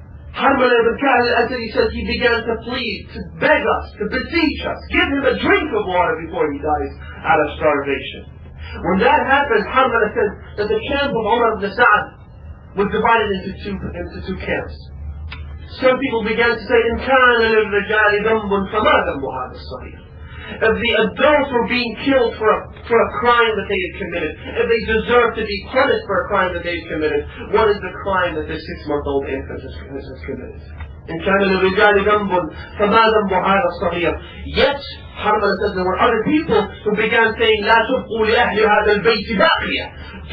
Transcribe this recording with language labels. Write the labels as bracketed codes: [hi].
[en] Harman ibn Kahin al-Asadi says he began to plead, to beg us, to beseech us, give him a drink of water before he dies out of starvation. When that happened, Harman says that the camp of Umar ibn Sa'd was divided into two camps. Some people began to say, [ar] إِنْكَانَ لِلْرِجَالِ ذَنْبٌ فَمَا ذَنْبُ هَذَا الصَّغِيرِ. [en] If the adults were being killed for a crime that they had committed, if they deserve to be punished for a crime that they had committed, what is the crime that this 6-month-old infant has committed? [ar] إِنْكَانَ لِلْرِجَالِ ذَنْبٌ فَمَا ذَنْبُ هَذَا الصَّغِيرِ. [en] Yet, Harman says there were other people who began saying, [ar] لَا تُبْقُوا لِأَهْلِ هَذَا الْبَيْتِ بَاقِيَةً.